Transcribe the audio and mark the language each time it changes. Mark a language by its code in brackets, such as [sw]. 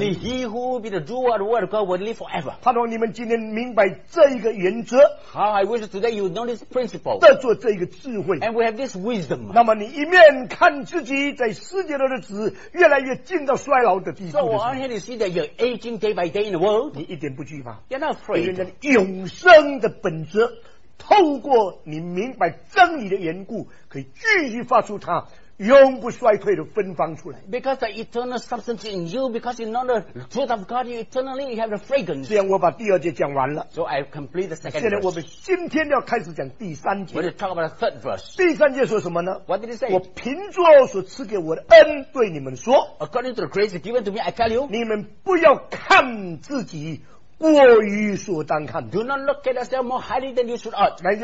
[en] only he who be the ruler of the world of God will live forever [zh] 盼望你们今天明白这一个原则 [en] how I wish today you know this principle. [zh] 得着这个智慧, [en] and we have this wisdom. [zh] 那么你一面看自己在世界的日子越来越近到衰老的地步的时候, [en] so on one hand you see that you're aging day by day in the world. [zh] 你一点不惧怕, [en] you're not afraid. [zh] 因为永生的本质, 透过你明白真理的缘故, 可以继续发出它, [en] because the eternal substance in you, because you know the truth of God, you eternally you have the fragrance. [zh] 这样我把第二节讲完了, [en] so I complete the second verse. [zh] 现在我们今天要开始讲第三节。 [en] We're going to talk about the third verse. [zh] 第三节说什么呢? [en] What did he say? [zh] 我凭着所赐给我的恩对你们说, [en] according to the grace given to me, I tell you, [zh] 你们不要看自己, 过于所当看, [en] do not look at yourself more highly than you should ought.